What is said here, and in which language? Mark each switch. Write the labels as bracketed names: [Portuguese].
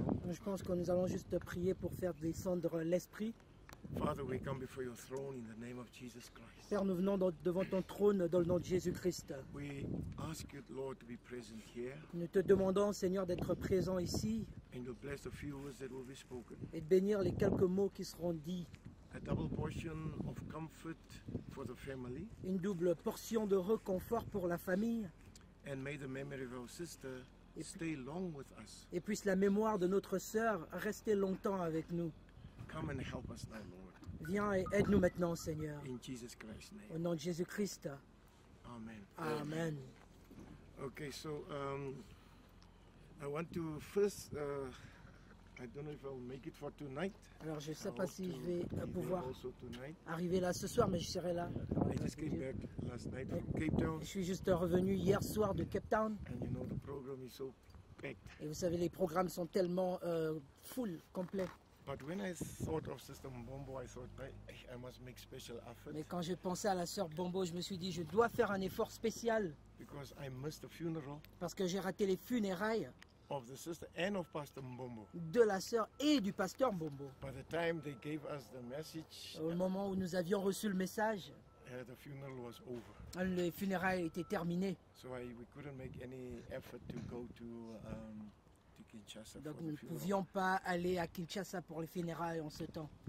[French] Je pense que nous allons juste prier pour faire descendre l'esprit. [English] Father, we come before your throne in the name of Jesus Christ. [French] Père, nous venons devant ton trône dans le nom de Jésus-Christ. [English] We ask you, Lord, to be present here. [French] Nous te demandons, Seigneur, d'être présent ici. [English] And to bless the few words that will be spoken. [French] Et de bénir les quelques mots qui seront dits. [English] A double portion of comfort for the family. [French] Une double portion de réconfort pour la famille. [English] And may the memory of our sister stay long with us. [French] Et puisse la mémoire de notre sœur rester longtemps avec nous. [English] Come and help us now, Lord. [French] Viens et aide-nous maintenant, Seigneur. [English] In Jesus Christ's name. [French] Au nom de Jésus-Christ. [English] Amen. [French] Amen. [English] Okay, so I want to first. I don't know if I will make it for tonight. [French] Alors je ne sais pas si je vais pouvoir arriver là ce soir, mais je serai là. [English] I just came back last night from Cape Town. [French] Je suis juste revenu hier soir de Cape Town. [English] And you know, the program is so packed. [French] Et vous savez, les programmes sont tellement full, complets. [English] But when I thought of Sister Mbombo, I thought I must make special effort. [French] Mais quand je pensais à la sœur Mbombo, je me suis dit, je dois faire un effort spécial. [English] Because I missed the funeral. [French] Parce que j'ai raté les funérailles. [English] Of the sister and of Pastor Mbombo. [French] De la sœur et du pasteur Mbombo. [English] By the time they gave us the message, [French] au moment où nous avions reçu le message, [English] the funeral was over. [French] Les funérailles étaient terminées. [English] So we couldn't make any effort to go to Kinshasa. [French] Donc [English] for [French] nous ne pouvions pas aller à Kinshasa pour les funérailles en ce temps.